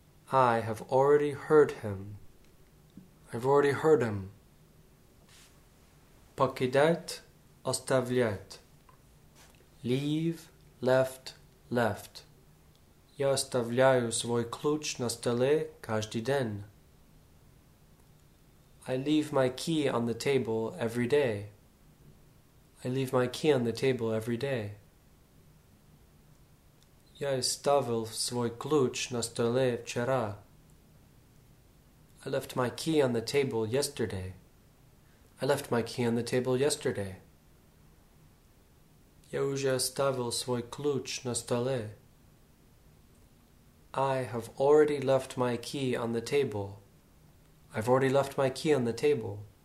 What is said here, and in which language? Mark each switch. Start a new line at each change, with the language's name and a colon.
English: I have already heard him. I've already heard him.
Russian: Покидать, оставлять.
English: Leave, left, left.
Russian: Я оставляю свой ключ на столе каждый день.
English: I leave my key on the table every day. I leave my key on the table every day.
Russian: Я оставил свой ключ на столе вчера.
English: I left my key on the table yesterday. I left my key on the table yesterday.
Russian: Я уже оставил свой ключ на столе.
English: I have already left my key on the table. I've already left my key on the table.